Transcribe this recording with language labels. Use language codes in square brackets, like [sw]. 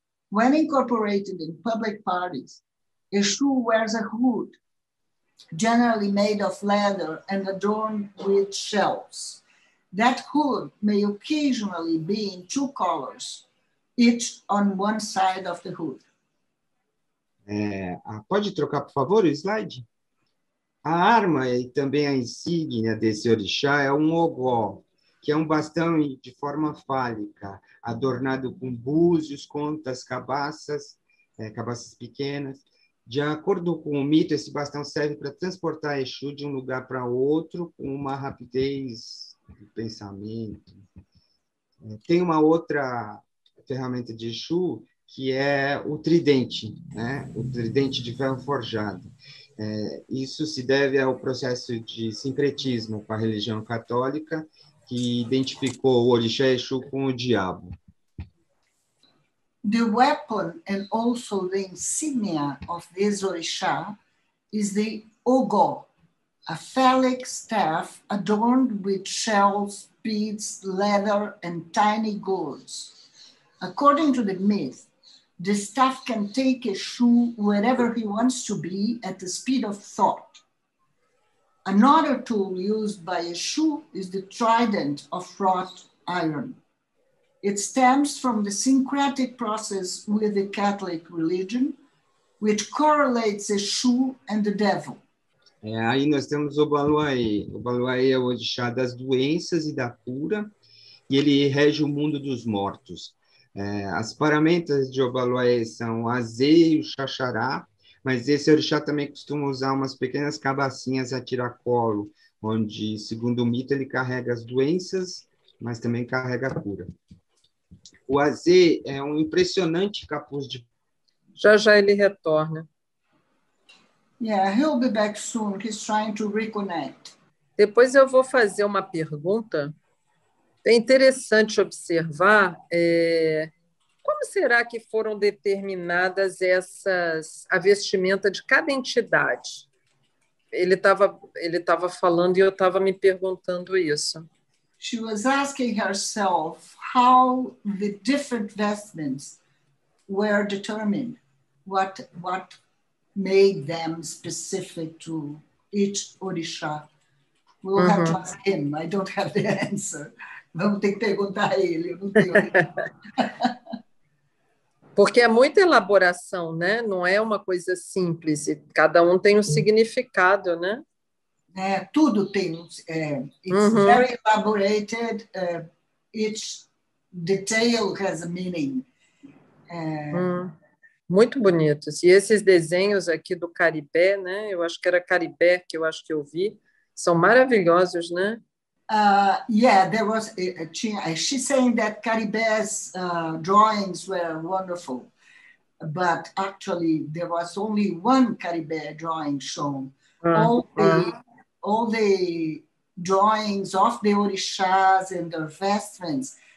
[en] When incorporated in public parties, Exu wears a hood, generally made of leather and adorned with shells. That hood may occasionally be in two colors, each on one side of the hood. [pt] Pode trocar, por favor, o slide? A arma e também a insígnia desse orixá é um ogó, que é um bastão de forma fálica, adornado com búzios, contas, cabaças pequenas. De acordo com o mito, esse bastão serve para transportar Exu de um lugar para outro com uma rapidez do pensamento. Tem uma outra ferramenta de Exu, que é o tridente, né? O tridente de ferro forjado. Isso se deve ao processo de sincretismo com a religião católica, que identificou o orixá Exu com o diabo. [en] The weapon and also the insignia of this orisha is the ogó, a phallic staff adorned with shells, beads, leather, and tiny gourds. According to the myth, the staff can take Exu wherever he wants to be at the speed of thought. Another tool used by Exu is the trident of wrought iron. It stems from the syncretic process with the Catholic religion, which correlates Exu and the devil. [pt] Aí nós temos o Baluaê. O Baluaê é o orixá das doenças e da cura, e ele rege o mundo dos mortos. As paramentas de Obaluaê são o azê e o xaxará, mas esse orixá também costuma usar umas pequenas cabacinhas a tiracolo, onde, segundo o mito, ele carrega as doenças, mas também carrega a cura. O azê é um impressionante capuz de... Já ele retorna. [en] Yeah, he'll be back soon. He's trying to reconnect. [pt] Depois eu vou fazer uma pergunta. É interessante observar como será que foram determinadas a vestimenta de cada entidade. Ele estava falando e eu estava me perguntando isso. [en] She was asking herself how the different vestments were determined. What made them specific to each orixá. We'll have to ask him. I don't have the answer. [pt] Vamos ter que perguntar a ele. Eu não tenho. Porque é muita elaboração, né? Não é uma coisa simples. Cada um tem um significado, né? É, tudo tem. [en] It's very elaborated. Each detail has a meaning. [pt] Muito bonito. E esses desenhos aqui do Caribé, né? Eu acho que era Caribé que eu acho que eu vi. São maravilhosos, né? [en] Yeah, there was. She's saying that Caribe's drawings were wonderful, but actually there was only one Caribe drawing shown. All the drawings of the orishas and their vestments.